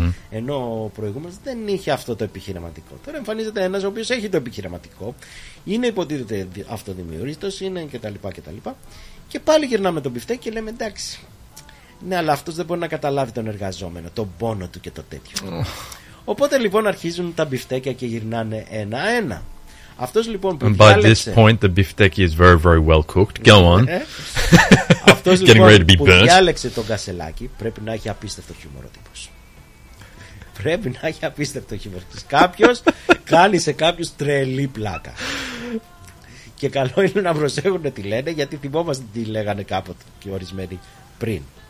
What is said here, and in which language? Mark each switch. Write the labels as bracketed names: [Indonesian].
[Greek] Ενώ ο προηγούμενος δεν είχε αυτό το επιχειρηματικό. Τώρα εμφανίζεται ένας ο οποίος έχει το επιχειρηματικό, είναι υποτίθεται αυτοδημιούργητος, είναι κτλ. Κτλ. Και πάλι γυρνάμε τον μπιφτέκι και λέμε εντάξει, ναι, αλλά αυτός δεν μπορεί να καταλάβει τον εργαζόμενο, τον πόνο του και το τέτοιο. Οπότε λοιπόν αρχίζουν τα μπιφτέκια και γυρνάνε ένα-ένα. Αυτός λοιπόν που διάλεξε. [English] By this point the beefsteak is very very well cooked. Go on. [Greek] Αυτός λοιπόν [English] ready to be burnt. [Greek] Που διάλεξε τον Κασελάκη πρέπει να έχει απίστευτο χιούμορ ο τύπος. Πρέπει να έχει απίστευτο χιούμορ. Κάποιος κάνει σε κάποιους τρελή πλάκα. Και καλό είναι να προσέχουν τι λένε, γιατί θυμόμαστε τι λέγανε κάποτε και ορισμένοι πριν.